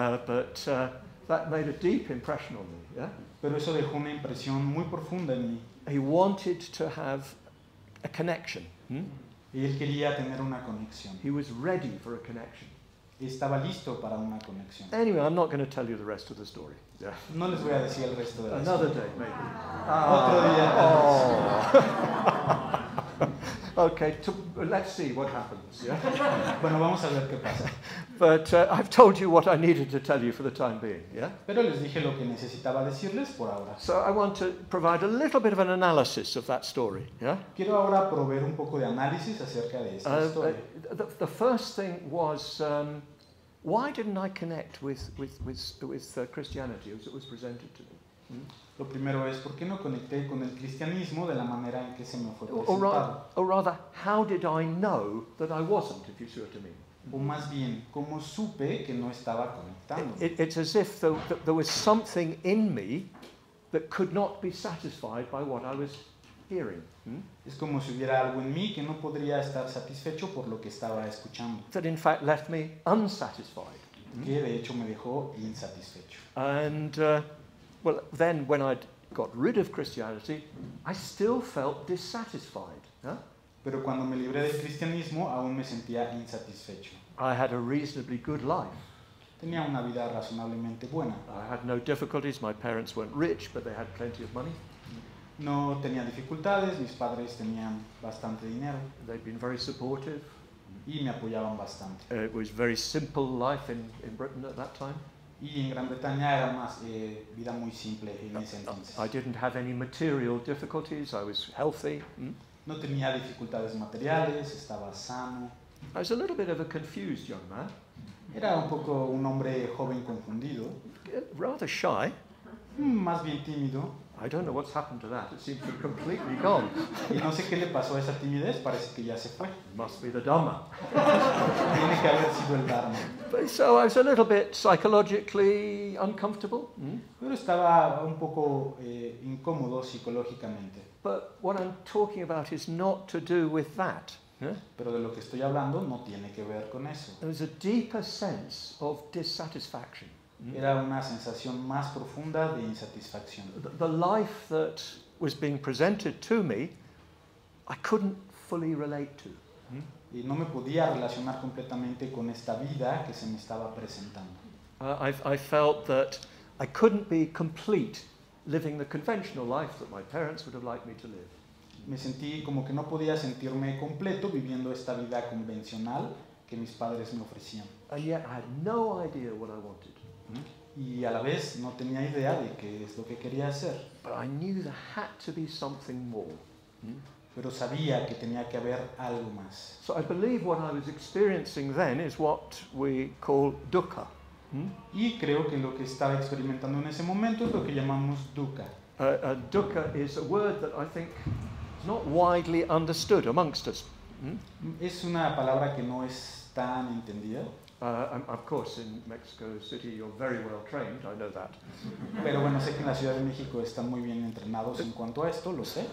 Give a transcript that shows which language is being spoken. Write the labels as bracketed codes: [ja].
[en] But that made a deep impression on me, yeah? [es] Pero eso dejó una impresión muy profunda en mí. [en] He wanted to have a connection, [es] Y él quería tener una conexión. [en] He was ready for a connection. [es] Estaba listo para una conexión. [en] Anyway, I'm not going to tell you the rest of the story. Yeah. [es] No les voy a decir el resto de la [en] Another [es] historia. [en] Another day, maybe. [es] Otro día. [en] Okay, let's see what happens. Yeah? [es] Bueno, vamos a ver qué pasa. [en] But I've told you what I needed to tell you for the time being. Yeah? [es] Pero les dije lo que necesitaba decirles por ahora. [en] So I want to provide a little bit of an analysis of that story. Yeah? [es] Quiero ahora proveer un poco de análisis acerca de esta historia. [en] The first thing was, why didn't I connect with Christianity as it was presented to me? [es] Lo primero es, ¿por qué no conecté con el cristianismo de la manera en que se me fue presentado? [en] Or rather, how did I know that I wasn't, if you see what I mean? [es] O más bien, ¿cómo supe que no estaba conectando? [en] It's as if there was something in me that could not be satisfied by what I was hearing. [es] Es como si hubiera algo en mí que no podría estar satisfecho por lo que estaba escuchando. [en] That in fact left me unsatisfied. [es] Que de hecho me dejó insatisfecho. [en] And well, then when I got rid of Christianity, I still felt dissatisfied. [es] Pero cuando me libré del cristianismo, aún me sentía insatisfecho. [en] I had a reasonably good life. [es] Tenía una vida razonablemente buena. [en] I had no difficulties. My parents weren't rich, but they had plenty of money. [es] No tenía dificultades. Mis padres tenían bastante dinero. [en] They'd been very supportive. [es] Y me apoyaban bastante. [en] It was very simple life in Britain at that time. [es] Y en Gran Bretaña era más vida muy simple en ese entonces. [en] I didn't have any material difficulties. I was healthy. [es] No tenía dificultades materiales. Estaba sano. [en] I was a little bit of a confused young man. [es] Era un poco un hombre joven confundido. [en] Rather shy. [es] Más bien tímido. [en] I don't know what's happened to that. It seems to be completely gone. [es] Y no sé qué le pasó a esa timidez. Parece que ya se fue. [en] Must be the Dharma. [es] Tiene que haber sido el Dharma. [en] But so I was a little bit psychologically uncomfortable. [es] Pero estaba un poco incómodo psicológicamente. [en] But what I'm talking about is not to do with that. [es] Pero de lo que estoy hablando no tiene que ver con eso. [en] There was a deeper sense of dissatisfaction. [es] Era una sensación más profunda de insatisfacción. [en] The life that was being presented to me, I couldn't fully relate to. [es] Y no me podía relacionar completamente con esta vida que se me estaba presentando. [en] I felt that I couldn't be complete living the conventional life that my parents would have liked me to live. [es] Me sentí como que no podía sentirme completo viviendo esta vida convencional que mis padres me ofrecían. [en] And yet I had no idea what I wanted. [es] Y a la vez no tenía idea de qué es lo que quería hacer. [en] But I knew there had to be something more. [es] Pero sabía que tenía que haber algo más. [en] So I believe what I was experiencing then is what we call dukkha. [es] Y creo que lo que estaba experimentando en ese momento es lo que llamamos dukkha. [en] Dukkha is a word that I think not widely understood amongst us. [es] Es una palabra que no es tan entendida. [en] Of course, in Mexico City, you're very well trained. I know that. [es] Pero bueno, sé que en la Ciudad de México están muy bien entrenados en cuanto a esto. Lo sé.